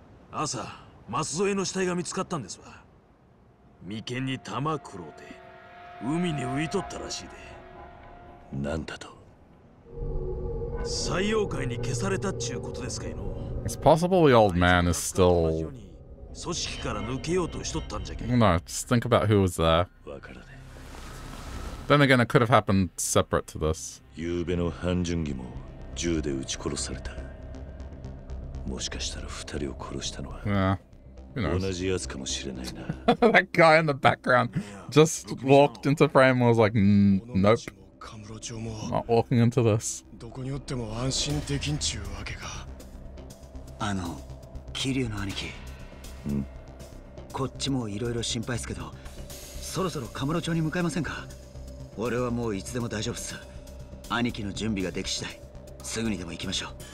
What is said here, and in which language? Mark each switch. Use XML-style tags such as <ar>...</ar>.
<ja>朝、増添の死体が見つかったんですわ。眉間に玉くろうて海に浮いとったらしいで。なんだと。西洋界に消されたっちゅうことですかいの。</ja> <en>It's possible the old man is still.</en> <ja>組織から抜けようとしとったんじゃけ。</ja> <en>No, just think about who was there.</en> <ja>わからね。</ja> <en>Then again, it could have happened separate to this.</en> <ja>昨夜の半巡儀も銃で撃ち殺された。もしかしたら二人を殺したのは。</ja> <en>Yeah.</en> <ja>同じやつかもしれないな。</ja> <en>That guy in the background just walked into frame and was like, nope. Not walking into this.</en> <ja>どこにおっても安心できんちゅうわけか。あの、キリュウの兄貴。ん？こっちもいろいろ心配っすけど、そろそろカムロ町に向かいませんか？俺はもういつでも大丈夫っす。兄貴の準備ができ次第、すぐにでも行きましょう。</ja>